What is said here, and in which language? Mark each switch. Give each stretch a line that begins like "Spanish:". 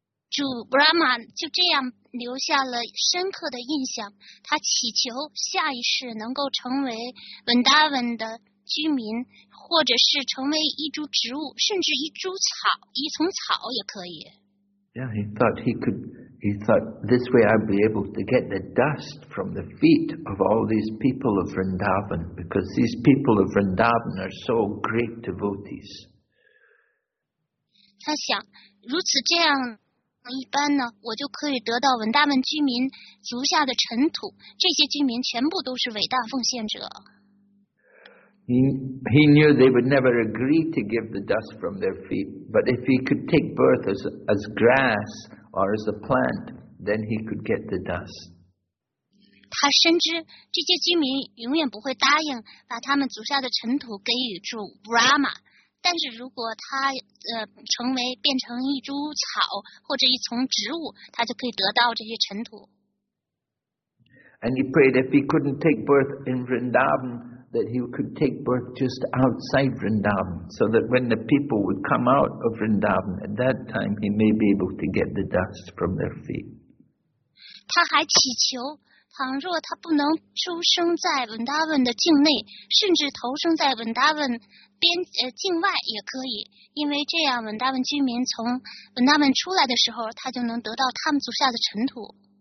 Chinese: 主 Brahma 就这样留下了深刻的印象，他祈求下一世能够成为 Vrindavan 的居民，或者是成为一株植物，甚至一株草，一丛草也可以。
English: Yeah, he thought he could. He thought this way I'd be able to get the dust from the feet of all these people of Vrindavan, because these people of Vrindavan are so great devotees.
Chinese: 他想，如此这样一般呢，我就可以得到文达文居民足下的尘土。这些居民全部都是伟大奉献者。
English: He knew they would never agree to give the dust from their feet, but if he could take birth as grass or as a plant, then he could get the dust.
Chinese: 他深知这些居民永远不会答应把他们足下的尘土给予主 Brahma, 但是如果他变成一株草或者一丛植物，他就可以得到这些尘土。
English: And he prayed if he couldn't take birth in Vrindavan,that he could take birth just outside Vrindavan, so that when the people would come out of Vrindavan at that time, he may be able to get the dust from their feet.
Chinese: 他还祈求，倘若他不能出生在 Vrindavan 的境内，甚至投生在 Vrindavan 境外也可以，因为这样 Vrindavan 居民从 Vrindavan 出来的时候，他就能得到他们足下的尘土。